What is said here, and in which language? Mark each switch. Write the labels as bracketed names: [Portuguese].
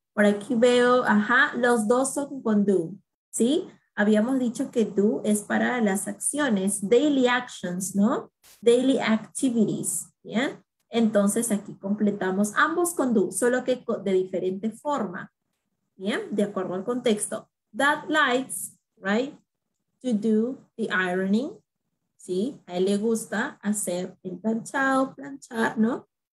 [Spanish] Por aquí veo, ajá, los dos son con do. ¿Sí? Habíamos dicho que do es para las acciones. [English] Daily actions, [Spanish] ¿no? [English] Daily activities. [Spanish] ¿Bien? Entonces aquí completamos ambos con do, solo que de diferente forma. Bien, de acuerdo al contexto. [English] That likes, right, to do the ironing. [Spanish] Sí, a él le gusta hacer el planchado, planchar, ¿no?